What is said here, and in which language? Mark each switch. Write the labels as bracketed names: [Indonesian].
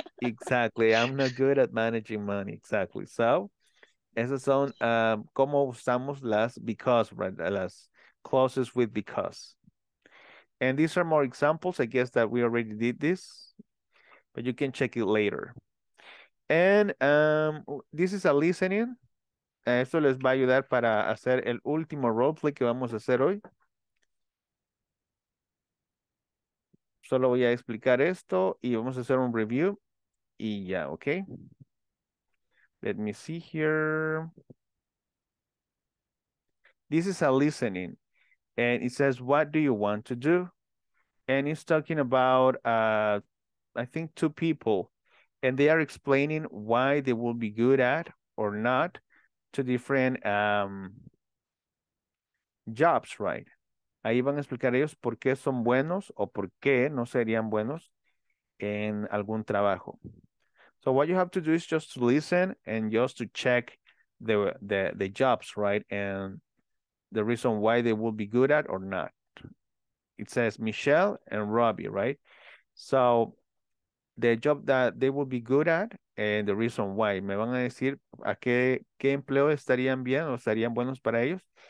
[English] Exactly. I'm not good at managing money. Exactly. So, [Spanish] esas son cómo usamos las [English] because, right? Las clauses with because. And these are more examples. I guess that we already did this, but you can check it later. And this is a listening. [Spanish] Esto les va a ayudar para hacer el último roleplay que vamos a hacer hoy. Solo voy a explicar esto y vamos a hacer un review. Y ya, [English] ok. Let me see here. This is a listening. And it says, what do you want to do? And it's talking about, I think, two people. And they are explaining why they will be good at or not to different jobs, right? [Spanish] Ahí van a explicar ellos por qué son buenos o por qué no serían buenos en algún trabajo. [English] So what you have to do is just to listen and just to check the jobs, right? And the reason why they will be good at or not. It says Michelle and Robbie, right? So the job that they will be good at and the reason why. [Spanish] Me van a decir a qué empleo estarían bien o estarían buenos para ellos.